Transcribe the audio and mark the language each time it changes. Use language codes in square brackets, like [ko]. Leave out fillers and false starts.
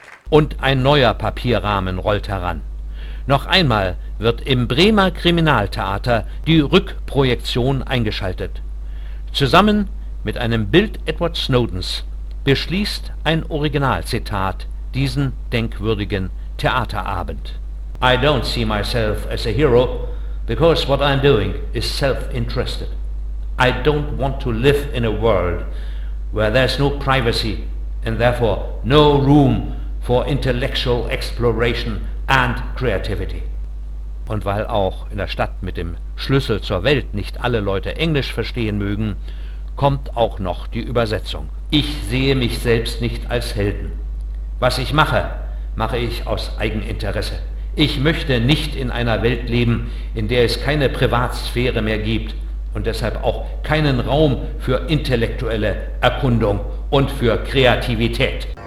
[de] Und ein neuer Papierrahmen rollt heran. Noch einmal wird im Bremer Kriminaltheater die Rückprojektion eingeschaltet. Zusammen mit einem Bild Edward Snowdens beschließt ein Originalzitat diesen denkwürdigen Theaterabend. [en] I don't see myself as a hero, because what I'm doing is self-interested. I don't want to live in a world where there's no privacy and therefore no room for intellectual exploration and creativity. [de] Und weil auch in der Stadt mit dem Schlüssel zur Welt nicht alle Leute Englisch verstehen mögen, kommt auch noch die Übersetzung. Ich sehe mich selbst nicht als Helden. Was ich mache, mache ich aus Eigeninteresse. Ich möchte nicht in einer Welt leben, in der es keine Privatsphäre mehr gibt und deshalb auch keinen Raum für intellektuelle Erkundung und für Kreativität.